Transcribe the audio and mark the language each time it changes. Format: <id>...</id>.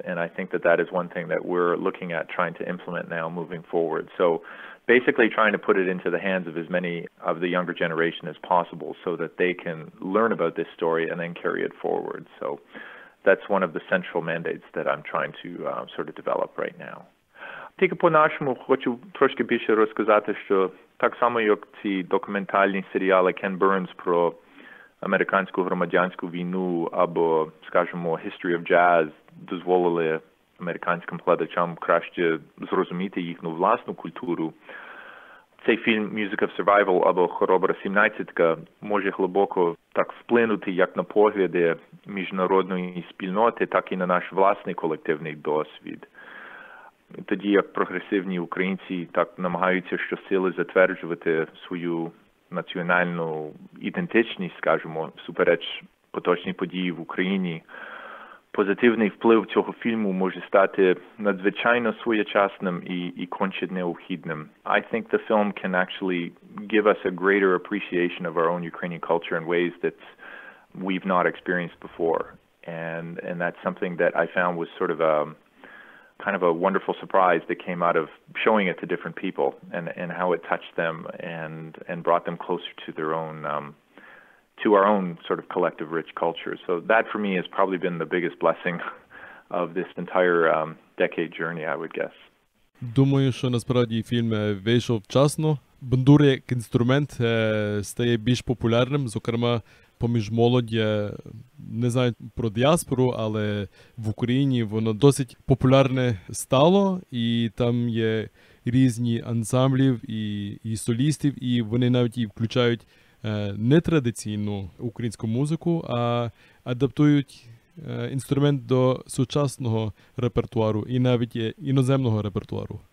<en>And I think that is one thing that we're looking at trying to implement now moving forward. So basically trying to put it into the hands of as many of the younger generation as possible so that they can learn about this story and then carry it forward. So that's one of the central mandates that I'm trying to sort of develop right now.</en> <uk>Тільки по-нашому хочу трошки більше розказати, що так само, як ці документальні серіали Кен Бернс про американську громадянську війну або, скажімо, History of Jazz дозволили американським глядачам краще зрозуміти їхню власну культуру, цей фільм Music of Survival або Хоробра 17-ка може глибоко так вплинути як на погляди міжнародної спільноти, так і на наш власний колективний досвід. Тоді як прогресивні українці так намагаються щосили затверджувати свою національну ідентичність, скажімо, всупереч поточній події в Україні, позитивний вплив цього фільму може стати надзвичайно своєчасним і конче необхідним.</uk> <en>I think the film can actually give us a greater appreciation of our own Ukrainian culture in ways that we've not experienced before. And that's something that I found was sort of a kind of a wonderful surprise that came out of showing it to different people and how it touched them and brought them closer to their own, to our own sort of collective rich culture. So that for me has probably been the biggest blessing of this entire decade journey, I would guess.</en> <uk>Думаю, що насправді фільм вийшов вчасно. Бандури як інструмент стає більш популярним, зокрема, поміж молоді, не знаю про діаспору, але в Україні воно досить популярне стало, і там є різні ансамблів і солістів, і вони навіть і включають не традиційну українську музику, а адаптують інструмент до сучасного репертуару і навіть іноземного репертуару.</uk>